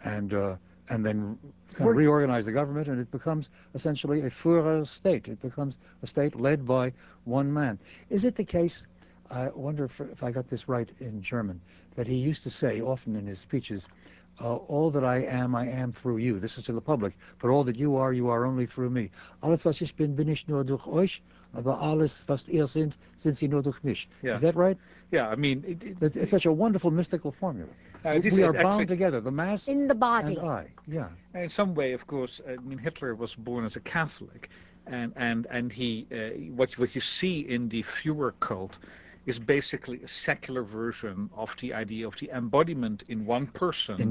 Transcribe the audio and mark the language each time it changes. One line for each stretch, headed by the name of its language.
English: And then kind of reorganize the government, and it becomes essentially a Führerstaat. It becomes a state led by one man. Is it the case, I wonder if I got this right in German, that he used to say often in his speeches, all that I am through you. This is to the public. But all that you are only through me.
German: Alles, was ich bin, bin ich nur durch euch. Aber alles, was ihr seid, sind sie nur durch mich.
English: Yeah. Is that right? Yeah, I mean... It's such a wonderful mystical formula. We are bound together, the mass in the body. And I. Yeah. In some way, of course, I mean, Hitler was born as a Catholic, and he what you see in the Führer cult is basically a secular version of the idea of the embodiment in one person